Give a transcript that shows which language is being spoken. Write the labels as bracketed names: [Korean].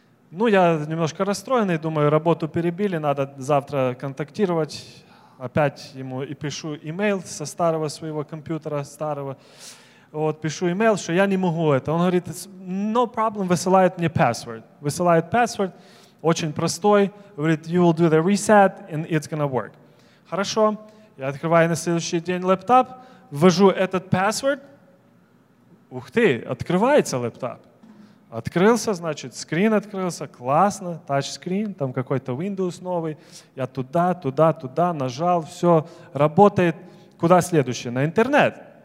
[Russian] Ну, я немножко расстроенный, думаю, работу перебили, надо завтра контактировать. Опять ему и пишу имейл со старого своего компьютера, старого. Вот, пишу имейл, что я не могу это. Он говорит, [English] no problem, [Russian] высылает мне password. Высылает password, очень простой. Говорит, [English] you will do the reset and it's gonna work. [Russian] Хорошо, я открываю на следующий день лэптап, ввожу этот password. Ух ты, открывается лэптап. Открылся, значит, скрин открылся, классно, тачскрин, там какой-то Windows новый. Я туда, туда, туда нажал, все работает. Куда следующее? На интернет.